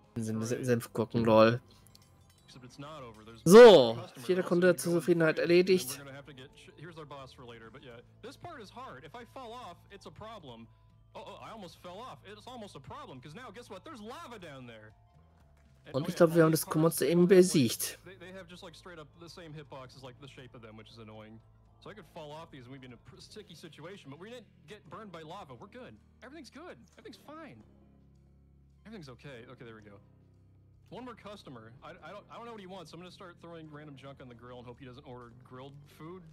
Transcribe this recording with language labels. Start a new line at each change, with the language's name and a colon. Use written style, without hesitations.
German: Senfgurken, lol.
English: Except it's not over.
German: So, jeder Kunde zur Zufriedenheit erledigt.
English: Here's our boss for later, but yeah. This part is hard. If I fall off, it's a problem. Oh, I almost fell off. It's almost a problem, because now, guess what? There's lava down there!
German: Und ich glaube, wir haben das Kommando eben besiegt.
English: They have just like straight up the same hitbox as like the shape of them, which is annoying. So I could fall off these and we'd be in a sticky situation, but we didn't get burned by lava. We're good. Everything's good. Everything's fine. Everything's okay. Okay, there we go. One more customer. I don't know what he wants, so I'm gonna start throwing random junk on the grill and hope he doesn't order grilled food.